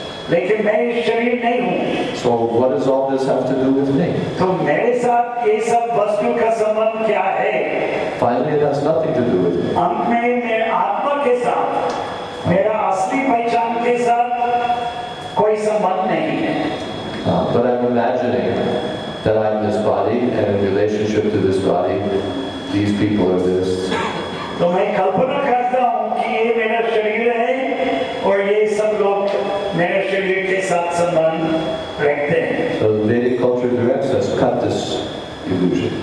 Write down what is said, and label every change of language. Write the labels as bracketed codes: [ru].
[hi] लेकिन मैं इस शरीर नहीं हूँ। [en] So what does all this have to do with me? [hi] तो मेरे साथ ये सब वस्तु का संबंध क्या है? [en] Finally, it has nothing to do with me. [hi] अंत में मैं आत्मा के साथ, मेरा असली पहचान के साथ कोई संबंध नहीं है। [en] But I'm imagining that I'm this body, and in relationship to this body, these people are this. [hi] तो मैं कल्पना करता हूँ कि ये मेरा शरीर है और ये सब लोग मेरे शरीर के साथ संबंध रखते हैं। [en] So the Vedic culture directs us to cut this illusion.